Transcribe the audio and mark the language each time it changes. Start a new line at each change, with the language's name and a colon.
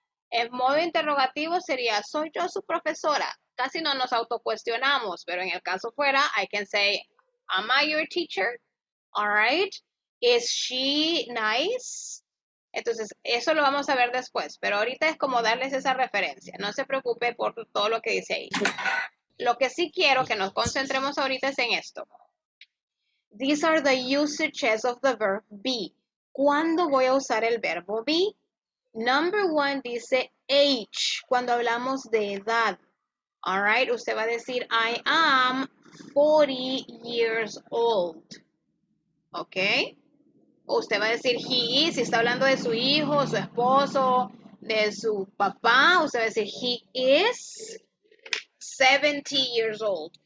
Spanish: En modo interrogativo sería soy yo su profesora. Casi no nos autocuestionamos, pero en el caso fuera,
English: I can say, am I your teacher?
Spanish: All right.
English: Is she nice?
Spanish: Entonces, eso lo vamos a ver después, pero ahorita es como darles esa referencia. No se preocupe por todo lo que dice ahí. Lo que sí quiero que nos concentremos ahorita es en esto.
English: These are the usages of the verb be.
Spanish: ¿Cuándo voy a usar el verbo be?
English: Number one
Spanish: dice age, cuando hablamos de edad.
English: All right,
Spanish: usted va a decir,
English: I am 40 years old. ¿Ok?
Spanish: O usted va a decir, he is, si está hablando de su hijo, su esposo, de su papá, usted va a decir,
English: he is 70 years old.